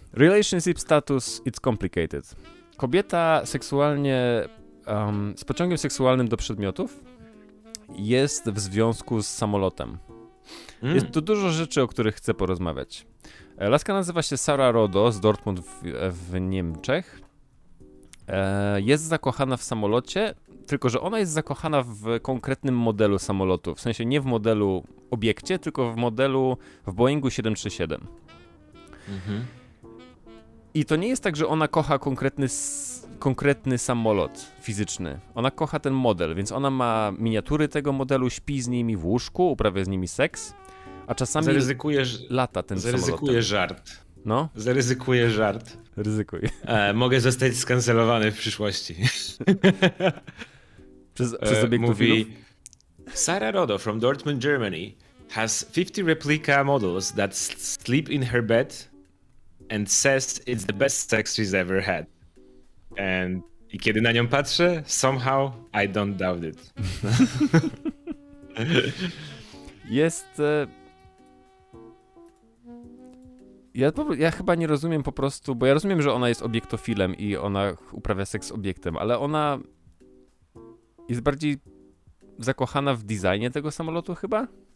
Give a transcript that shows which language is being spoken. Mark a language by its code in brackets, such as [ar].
[en] Relationship status, it's complicated. [pl] Kobieta seksualnie, z pociągiem seksualnym do przedmiotów jest w związku z samolotem. Jest tu dużo rzeczy, o których chcę porozmawiać. Laska nazywa się Sara Rodo z Dortmund w Niemczech. Jest zakochana w samolocie, tylko że ona jest zakochana w konkretnym modelu samolotu. W sensie nie w modelu obiekcie, tylko w modelu w Boeingu 737. Mhm. I to nie jest tak, że ona kocha konkretny samolot fizyczny. Ona kocha ten model, więc ona ma miniatury tego modelu, śpi z nimi w łóżku, uprawia z nimi seks, a czasami lata ten samolot. Zaryzykuje żart. No? Zaryzykuje żart. Ryzykuj. Mogę zostać skancelowany w przyszłości. Przez obiektu mówi, [en] Sara Rodo from Dortmund, Germany has 50 replica models that sleep in her bed and says it's the best sex she's ever had. And [pl] i kiedy na nią patrzę, [en] somehow I don't doubt it. [pl] Jest... Ja chyba nie rozumiem po prostu, bo ja rozumiem, że ona jest obiektofilem i ona uprawia seks z obiektem, ale ona jest bardziej zakochana w designie tego samolotu chyba?